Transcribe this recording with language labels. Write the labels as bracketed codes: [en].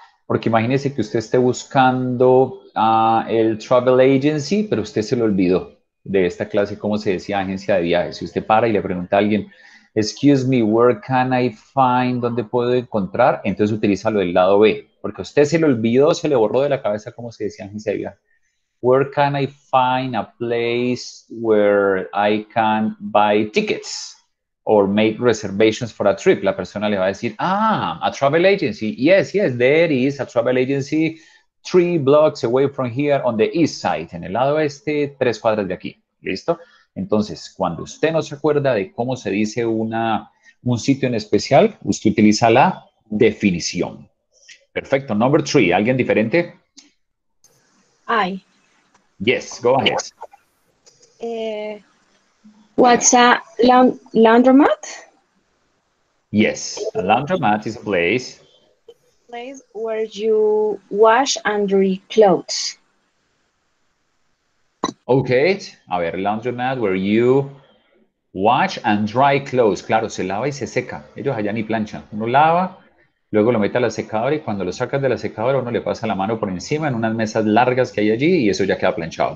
[es] Porque imagínese que usted esté buscando el travel agency, pero usted se lo olvidó de esta clase, ¿cómo se decía? Agencia de viajes. Si usted para y le pregunta a alguien, [en] excuse me, where can I find, [es] ¿dónde puedo encontrar? Entonces, utilízalo del lado B, porque usted se le olvidó, se le borró de la cabeza, como se decía en Sevilla. [en] Where can I find a place where I can buy tickets or make reservations for a trip? [es] La persona le va a decir, ah, [en] a travel agency. Yes, yes, there is a travel agency 3 blocks away from here on the east side, [es] en el lado este, 3 cuadras de aquí. ¿Listo? Entonces, cuando usted no se acuerda de cómo se dice un sitio en especial, usted utiliza la definición. Perfecto. [en] Number three. [es] ¿Alguien diferente? [en] I. Yes. Go ahead. What's a laundromat? Yes. A laundromat is a place. Place where you wash and dry clothes. Okay, [es] a ver, [en] laundromat, where you wash and dry clothes. [es] Claro, se lava y se seca. Ellos allá ni planchan. Uno lava, luego lo mete a la secadora y cuando lo sacas de la secadora, uno le pasa la mano por encima en unas mesas largas que hay allí y eso ya queda planchado.